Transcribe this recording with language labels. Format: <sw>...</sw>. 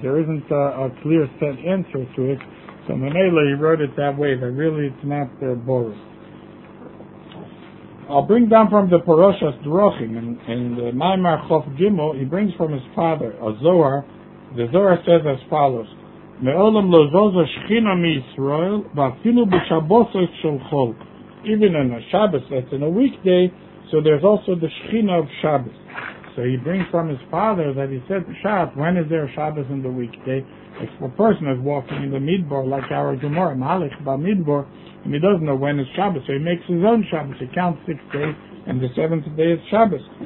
<en>There isn't a clear set answer to it. So Manela, he wrote it that way, that really it's not the Boris. I'll bring down from the Parashas Drachim in the Maimar Chof Gimel, he brings from his father, a Zohar. The Zohar says as follows,</en> <he>מעולם לא זוז השכינה מישראל, ואפילו בשבוסת של חול.</he> <en>Even in a Shabbos, that's in a weekday, so there's also the Shechina of Shabbos. So he brings from his father that he said, Shabbos, when is there Shabbos in the weekday? If a person is walking in the Midbar, like our Gemara, Malik Bamidbar, and he doesn't know when is Shabbos, so he makes his own Shabbos. He counts 6 days, and the seventh day is Shabbos.</en>